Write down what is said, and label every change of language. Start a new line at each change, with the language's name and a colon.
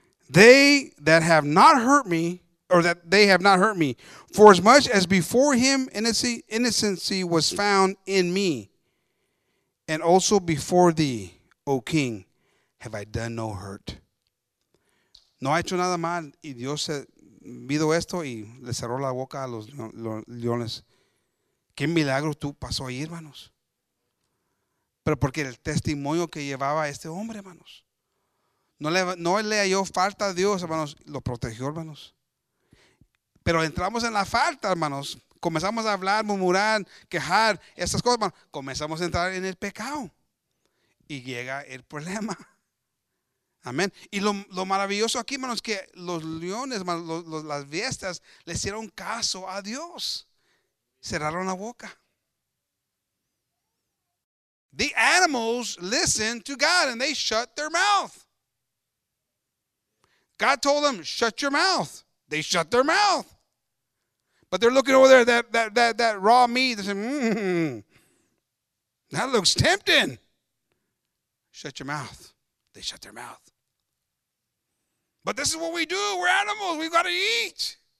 English: They that have not hurt me, or that they have not hurt me, for as much as before him innocency was found in me, and also before thee, O king, have I done no hurt.
Spanish: No ha hecho nada mal, y Dios ha visto esto, y le cerró la boca a los leones. ¿Qué milagro tú pasó ahí, hermanos? Pero porque el testimonio que llevaba este hombre, hermanos. No le halló falta a Dios, hermanos. Lo protegió, hermanos. Pero entramos en la falta, hermanos. Comenzamos a hablar, murmurar, quejar, estas cosas, hermanos. Comenzamos a entrar en el pecado. Y llega el problema. Amén. Y lo maravilloso aquí, hermanos, que los leones, hermanos, las bestias, le hicieron caso a Dios. Cerraron la boca.
English: The animals listen to God and they shut their mouth. God told them, shut your mouth. They shut their mouth. But they're looking over there, that raw meat. They're saying, that looks tempting. Shut your mouth. They shut their mouth. But this is what we do. We're animals. We've got to eat.